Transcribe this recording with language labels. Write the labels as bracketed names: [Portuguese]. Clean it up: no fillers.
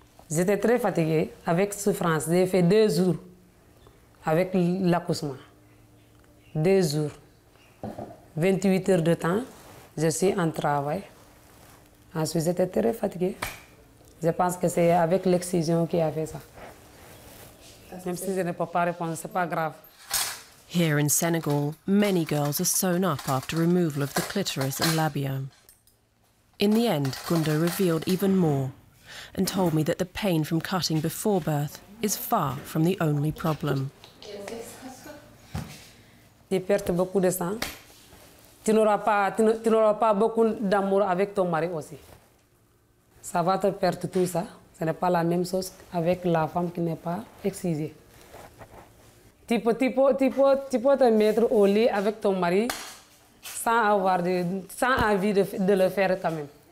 [French] J'étais très fatiguée avec souffrance. J'ai fait 2 jours avec l'accouchement. 2 jours. 28 heures de temps, je suis en travail. Ensuite, j'étais très fatiguée. Je pense que c'est avec l'excision qui a fait ça. Même si je ne peux pas répondre, c'est pas grave. [English] Here in Senegal, many girls are sewn up after removal of the clitoris and labia. In the end, Gundo revealed even more and told me that the pain from cutting before birth is far from the only problem. [French] Tu perds beaucoup de sang. Tu n'auras pas beaucoup d'amour avec ton mari aussi. Ça va te perdre tout ça. Ce n'est pas la même chose avec la femme qui n'est pas excisée. Tu peux te mettre au lit avec ton mari sans envie de le faire quand même.